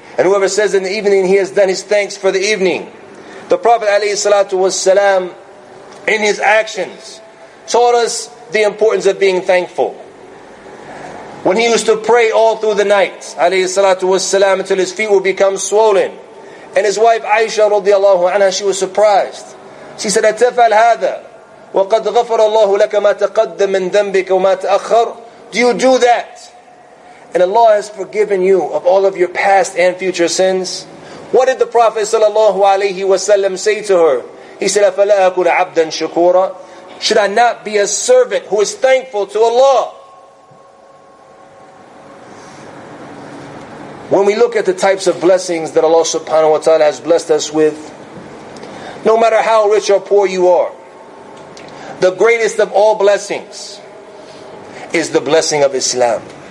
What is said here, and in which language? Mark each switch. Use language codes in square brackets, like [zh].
[en] And whoever says in the evening, he has done his thanks for the evening. The Prophet alayhi salatu wa sallam, in his actions, taught us the importance of being thankful. When he used to pray all through the night, alayhi salatu wa salam, until his feet would become swollen. And his wife Aisha radiallahu anha, she was surprised. She said, [ar] أَتَفَعَلْ هَذَا وَقَدْ غَفَرَ اللَّهُ لَكَ مَا تَقَدَّ مِنْ ذَنْبِكَ وَمَا تَأَخَّرُ. [en] Do you do that? And Allah has forgiven you of all of your past and future sins. What did the Prophet sallallahu alayhi wa sallam say to her? He said, [ar] أَفَلَا أَكُنَ عَبْدًا شَكُورًا. [en] Should I not be a servant who is thankful to Allah? When we look at the types of blessings that Allah subhanahu wa ta'ala has blessed us with, no matter how rich or poor you are, the greatest of all blessings is the blessing of Islam.